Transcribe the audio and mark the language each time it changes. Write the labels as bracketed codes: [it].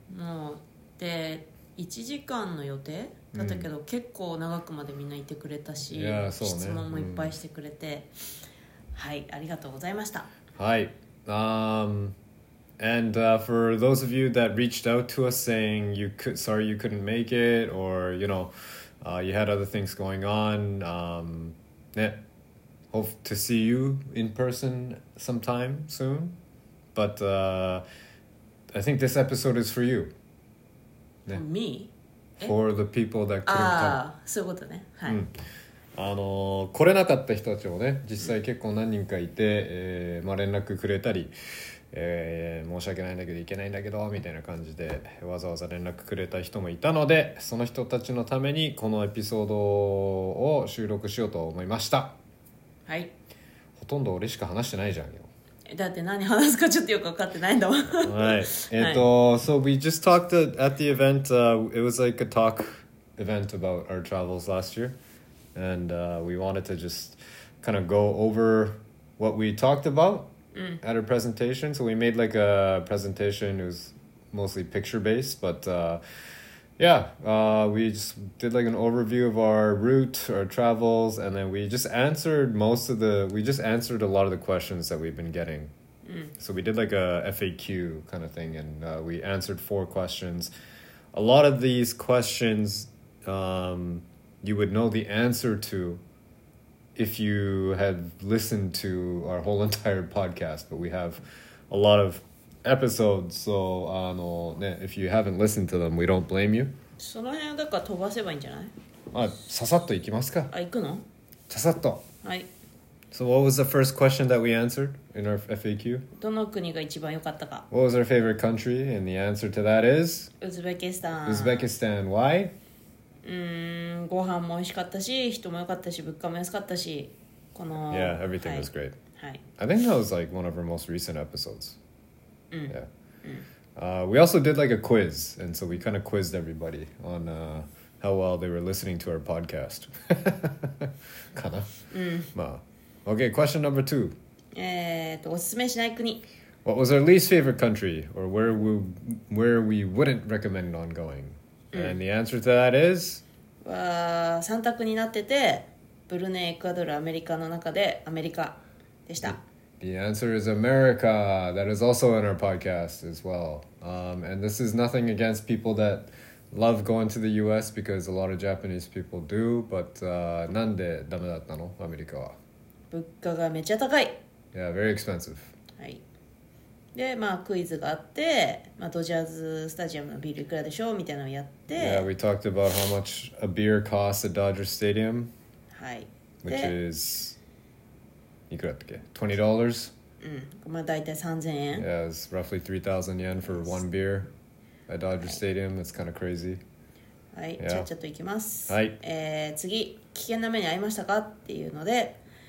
[ja] もうで1時間の予定だったけど、結構長くまでみんないてくれたし、質問もいっぱいしてくれて、はい、ありがとうございました。はい。 [en] And、for those of you that reached out to us saying sorry you couldn't make it, or you know、you had other things going on、yeah, hope to see you in person sometime soon, but、I think this episode is for you、 yeah. For me? For、え? The people that couldn't come. [ja] そういうことね、はい、うん、来れなかった人たちもね、実際結構何人かいて、まあ、連絡くれたり、申し訳ないんだけど行けないんだけどみたいな感じでわざわざ連絡くれた人もいたので、その人たちのためにこのエピソードを収録しようと思いました。はい、ほとんど俺しか話してないじゃんよ。だって何話すかちょっとよく分かってないんだもん。 [en] はい、So we just talked at the event、it was like a talk event about our travels last year, and、we wanted to just kind of go over what we talked about Mm. at a presentation. So we made like a presentation, it was mostly picture based, but we just did like an overview of our route, our travels, and then we just answered a lot of the questions that we've been getting、mm. So we did like a FAQ kind of thing, and we answered 4 questions. A lot of these questions you would know the answer toIf you had listened to our whole entire podcast, but we have a lot of episodes, so if you haven't listened to them, we don't blame you. [ja] その辺だから飛ばせばいいんじゃない？まあ、ささっと行きますか。あ、行くの？ささっと。はい。 [en] So what was the first question that we answered in our FAQ? [ja] どの国が一番良かったか。 [en] What was our favorite country? And the answer to that is? Uzbekistan. Why? [ja] ご飯も美味しかったし、人も良かったし、物価も安かったし、この [en] Yeah, everything、 [ja] はい、 [en] was great、 [ja] はい、 [en] I think that was like one of our most recent episodes、うん、 yeah. うん、 We also did like a quiz, and so we kind of quizzed everybody on how well they were listening to our podcast. Kana. Okay, question number two. What was our least favorite country, or where we wouldn't recommend on going? And the answer to that is? The answer is America. That is also in our podcast as well. And this is nothing against people that love going to the US, because a lot of Japanese people do. [ja] But nande dame datta no, America wa? Bukka ga mecha takai. [en] Yeah, very expensive. [ja] Hai. で、まあ、クイズがあって、まあ、ドジャーズスタジアムのビールいくらでしょうみたいなのをやって。 [en] Yeah, we talked about how much a beer costs at Dodger Stadium. [ja] はい。 [en] Which is... [ja] いくらだっけ [en] ?$20? [ja] うん。まあ、大体3000円。 [en] Yeah, it's roughly 3,000 yen for one beer at Dodger Stadium. It's kind of crazy. [ja] はい。Yeah. ちゃっといきます。はい。次、危険な目に遭いましたかっていうので、